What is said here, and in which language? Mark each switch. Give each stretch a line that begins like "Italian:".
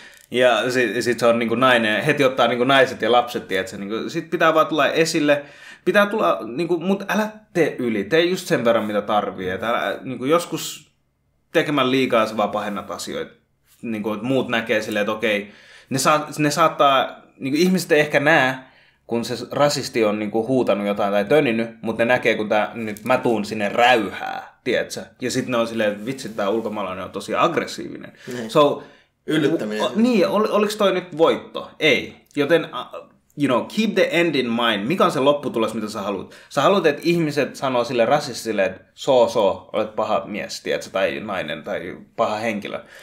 Finnish: Ja sit se on niinku nainen, heti ottaa niinku naiset ja lapset, tietsä, niinku sit pitää vaan tulla esille, pitää tulla niinku, mut älä tee yli, tee just sen verran mitä tarvii, et älä, niinku joskus tekemään liikaa sä vaan pahennat asioita, niinku et muut näkee silleen, et okei, ne saattaa, niinku ihmiset ei ehkä näe, kun se rasisti on niinku huutanut jotain tai töninyt, mut ne näkee, kun nyt mä tuun sinne räyhää, tietsä, ja sit ne on silleen, et vitsi, tää ulkomaalainen on tosi aggressiivinen, so, yllyttäminen. Niin, oliko toi nyt voitto? Ei. Joten,
English: keep the end in mind.
Finnish: Mikä on se lopputulos, mitä sä haluat? Sä haluat, että ihmiset sanoo sille rasistille, että olet paha mies, tiedätkö, tai nainen, tai paha henkilö.